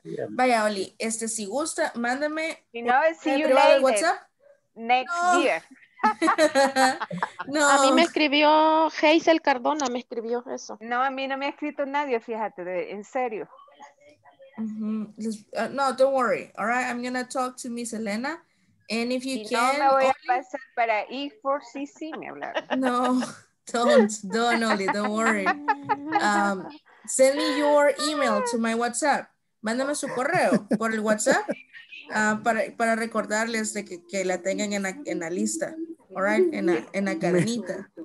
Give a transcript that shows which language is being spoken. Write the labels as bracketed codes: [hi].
[es] Vaya, Oli, este, si gusta, mándame. [en] You know, see you later. Next year. [es] No. A mí me escribió Hazel Cardona, me escribió eso. No, a mí no me ha escrito nadie, fíjate, de, en serio. [en] Mm-hmm. No, don't worry. All right, I'm gonna talk to Miss Elena. And if you [es] si [en] can. [es] No, me voy a pasar para E4CC, me hablaron. [en] No, don't, Oli, don't worry. Send me your email to my WhatsApp. [es] Mándame su correo por el WhatsApp. Para recordarles de que la tengan en la lista, all right, en la carnita.